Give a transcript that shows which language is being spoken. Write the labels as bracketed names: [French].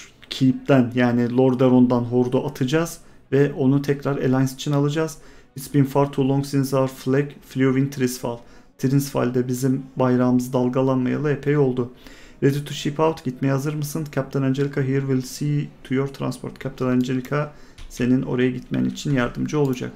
[Turkish] Keep'ten yani Lordaeron'dan Horde'u atacağız ve onu tekrar Alliance için alacağız. [English] It's been far too long since our flag flew in Trisfall. [Turkish] Trisfall'de bizim bayrağımız dalgalanmayalı epey oldu. [English] Ready to ship out. [Turkish] Gitmeye hazır mısın? [English] Captain Angelica here will see to your transport. [Turkish] Captain Angelica senin oraya gitmen için yardımcı olacak.